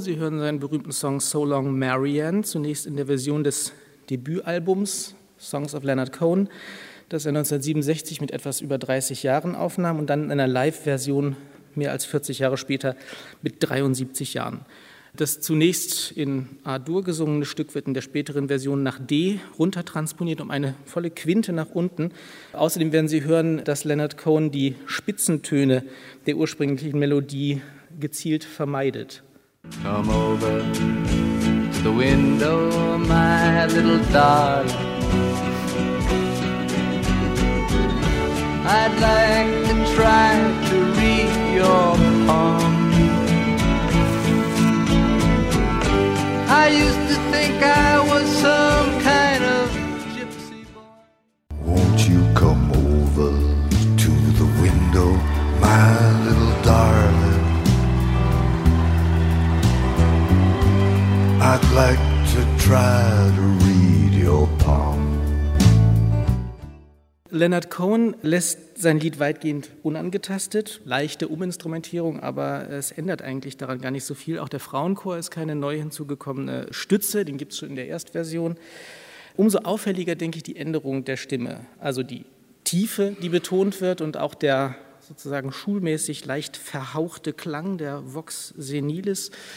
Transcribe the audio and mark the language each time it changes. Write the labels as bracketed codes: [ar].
[de] Sie hören seinen berühmten Song So Long Marianne, zunächst in der Version des Debütalbums Songs of Leonard Cohen, das er 1967 mit etwas über 30 Jahren aufnahm und dann in einer Live-Version mehr als 40 Jahre später mit 73 Jahren. Das zunächst in A-Dur gesungene Stück wird in der späteren Version nach D runtertransponiert, um eine volle Quinte nach unten. Außerdem werden Sie hören, dass Leonard Cohen die Spitzentöne der ursprünglichen Melodie gezielt vermeidet. [en] Come over to the window, my little darling. I'd like to try to read your poem. I used to think I was some kind of gypsy boy. Won't you come over to the window, my little darling? I'd like to try to read your poem. [de] Leonard Cohen lässt sein Lied weitgehend unangetastet, leichte Uminstrumentierung, aber es ändert eigentlich daran gar nicht so viel. Auch der Frauenchor ist keine neu hinzugekommene Stütze, den gibt es schon in der Erstversion. Umso auffälliger, denke ich, die Änderung der Stimme, also die Tiefe, die betont wird und auch der sozusagen schulmäßig leicht verhauchte Klang der Vox senilis.